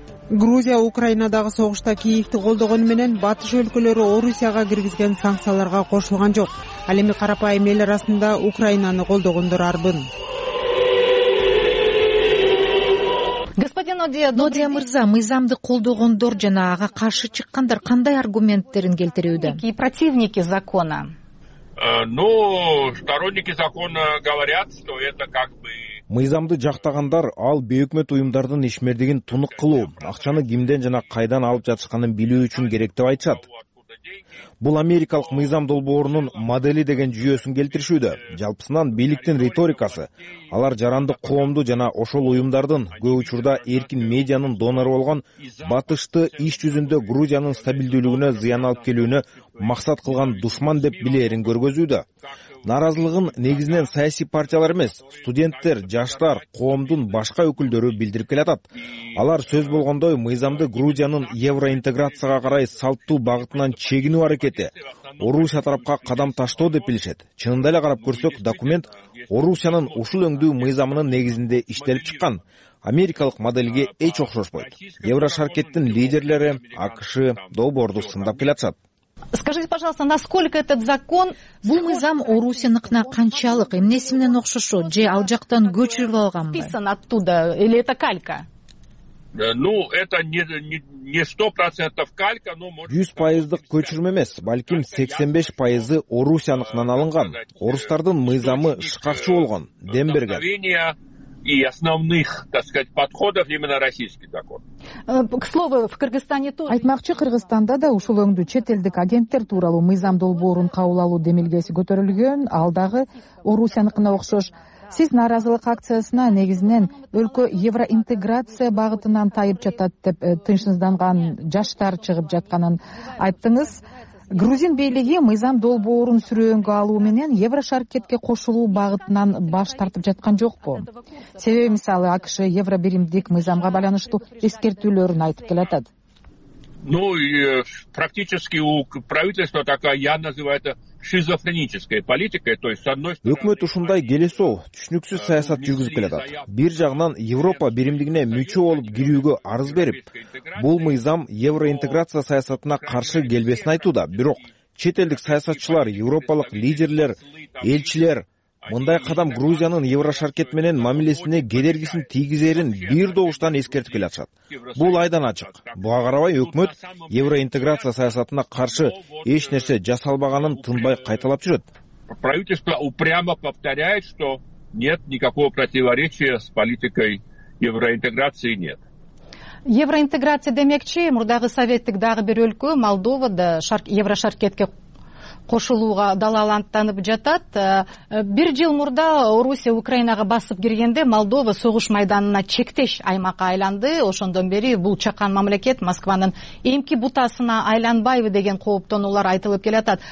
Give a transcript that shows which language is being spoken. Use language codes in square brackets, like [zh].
[ky] Грузия Украинадагы согушта Киевти колдогону менен батыш өлкөлөрү Орусияга киргизген санкцияларга кошулган жок. Ал эми карапайым эл арасында Украинаны колдогондор арбын. [ru] Господин Нодия, [ky] Нодия мырза, мыйзамды колдогондор жана ага каршы чыккандар кандай аргументтерин келтирүүдө? [ru] Какие противники закона? Сторонники закона говорят, что это как бы [ky] мыйзамды жактагандар ал бейөкмөт уюмдардын ишмердигин тунук кылуу, акчаны кимден жана кайдан алып жатышканын билүү үчүн керек деп айтышат. Бул америкалык мыйзам долбоорунун модели деген жүйөсүн келтиришүүдө. Жалпысынан бийликтин риторикасы алар жарандык коомду жана ошол уюмдардын көп учурда эркин медианын донору болгон батышты иш жүзүндө Грузиянын стабилдүүлүгүнө зыян алып келүүнү максат кылган душман деп билээрин көргөзүүдө. Нааразылыгын негизинен саясий партиялар эмес, студенттер, жаштар, коомдун башка өкүлдөрү билдирип келатат. Алар сөз болгондой мыйзамды Грузиянын евроинтеграцияга карай салттуу багытынан чегинүү аракети, Орусия тарапка кадам таштоо деп билишет. Чынында эле карап көрсөк, документ Орусиянын ушул өңдүү мыйзамынын негизинде иштелип чыккан. Америкалык моделге эч окшошпойт. Еврошаркеттин лидерлери АКШ долбоорду сындап келатышат. [ru] Скажите, пожалуйста, насколько этот закон... [ky] Бул мыйзам Орусиянын канчалык, эмнеси менен окшошо, же ал жактан көчүрүлүп алганбы? [ru] Писан оттуда, или это калька? Это не 100% калька, но... [ky] 100% көчүрмө эмес, балким 85% Орусиянын алынган. Орустардын мыйзамы шыкакчы болгон, дем берген. [ru] и основных, так сказать, подходов именно российский закон. К слову, в Кыргызстане тоже. [ky] Айтмакчы, Кыргызстанда да ушул өңдү чет элдик агенттер тууралуу мыйзам долбоорун кабыл алуу демилгеси көтөрүлгөн, алдагы Орусияныкына окшош. Сиз нааразылык акциясына негизинен өлкө евроинтеграция багытынан тайып жатат деп тынчсызданган жаштар чыгып жатканын айттыңыз. Грузин бийлиги мыйзам долбоорун сүрөөгө алуу менен Еврошаркетке кошулуу багытынан баш тартып жаткан жокпу? Себеби мисалы АКШ евробиримдик мыйзамга байланыштуу эскертүүлөрүн айтып келатат. [ru] Ну, практически у правительства такая, я называю это шизофреническая политика, то есть с одной стороны. [ky] Өкмөт ушундай келесоо, түшүнүксүз саясат жүргүзүп келатат. Бир жагынан Европа биримдигине мүчө болуп кирүүгө арыз берип, бул мыйзам евроинтеграция саясатына каршы келбесин айтууда, бирок чет элдик саясатчылар, европалык лидерлер, элчилер мындай кадам Грузиянын Еврошаркет менен мамилесине кедергисин тийгизерин бир добуштан эскертип келатышат. Бул айдан ачык. Буга карабай өкмөт евроинтеграция саясатына каршы эч нерсе жасалбаганын тынбай кайталап жүрөт. [ru] Правительство упрямо повторяет, что нет никакого противоречия с политикой евроинтеграции нет. [ky] Евроинтеграция демекчи, мурдагы советтик дагы бир өлкө Молдова да Еврошаркетке кошулууга далалантанып жатат. Бир жыл мурда Орусия Украинага басып киргенде Молдова согуш майданына чектеш аймакка айланды. Ошондон бери бул чакан мамлекет Москванын эмки бутасына айланбайбы деген кооптонуулар айтылып келатат.